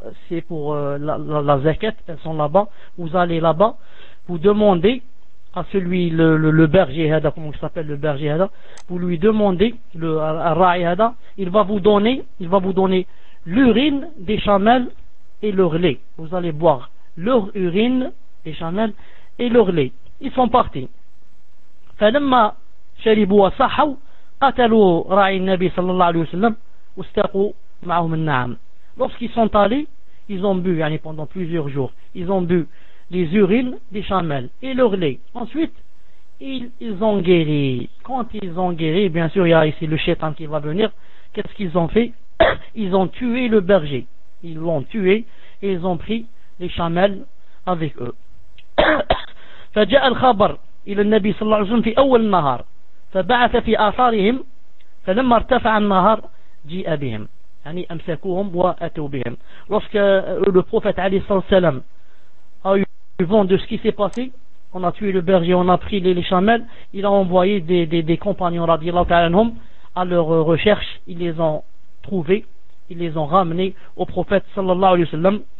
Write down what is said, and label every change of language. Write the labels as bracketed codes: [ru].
[fr] c'est pour la zakat elles sont là-bas vous allez là-bas vous demandez à celui le berger هذا comment il s'appelle le berger هذا vous lui demandez le ra'i هذا il va vous donner l'urine des chamelles et leur lait. Vous allez boire leur urine des chamelles et leur lait. Ils sont partis. [ar] فلما شربوا صحوا قتلوا راعي النبي صلى الله عليه وسلم واستقوا معهم النعم. [fr] Lorsqu'ils sont allés, ils ont bu يعني pendant plusieurs jours. Ils ont bu les urines des chamelles et leur lait. Ensuite, ils ont guéri. Quand ils ont guéri, bien sûr, il y a ici le shaitan qui va venir. Qu'est-ce qu'ils ont fait? Ils ont tué le berger. Ils l'ont tué et ils ont pris les chamelles avec eux. [ar] فجاء الخبر إلى النبي صلى الله عليه وسلم في أول النهار. فبعث في آثارهم. فلما ارتفع النهار جاء بهم. يعني أمسكوهم وأتوا بهم. [fr] Lorsque le prophète عليه الصلاة والسلام a eu vent de ce qui s'est passé, on a tué le berger, on a pris les chamelles, il a envoyé des compagnons radiallahu ta'ala anhum à leur recherche, ils les ont trouvés, ils les ont ramenés au prophète sallallahu alayhi wa sallam.